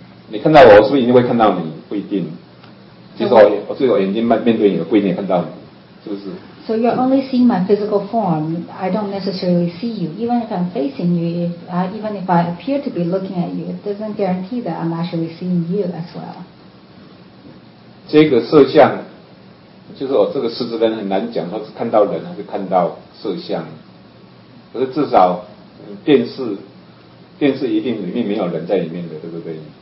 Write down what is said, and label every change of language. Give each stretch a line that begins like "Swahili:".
Chinese: 你看到我，是不是一定会看到你？不一定。就是我是我眼睛面对你，不一定看到你，是不是
English: ？So you're only seeing my physical form. I don't necessarily see you. Even if I'm facing you, even if I appear to be looking at you, it doesn't guarantee that I'm actually seeing you as well.
Chinese: 这个色相，就是我这个狮子人很难讲，说是看到人还是看到色相。可是至少电视一定里面没有人在里面的，对不对？